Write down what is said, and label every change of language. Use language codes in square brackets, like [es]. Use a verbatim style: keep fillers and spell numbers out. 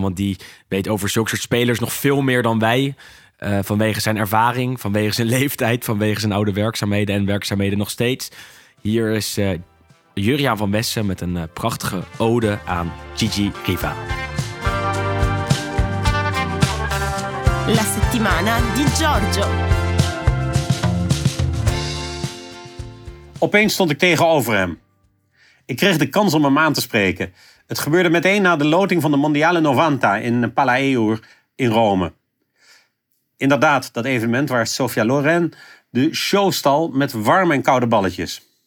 [nl] Want die weet over zulke soort spelers nog veel meer dan wij. Uh, vanwege zijn ervaring, vanwege zijn leeftijd... vanwege zijn oude werkzaamheden en werkzaamheden nog steeds. Hier is uh, Jurriaan van Wessen met een uh, prachtige ode aan Gigi Riva. [it] La settimana di Giorgio. [nl] Opeens stond ik tegenover hem. Ik kreeg de kans om hem aan te spreken. Het gebeurde meteen na de loting van de Mondiale negentig in Palaeur in Rome. Inderdaad, dat evenement waar Sofia Loren de show stal met warme en koude balletjes.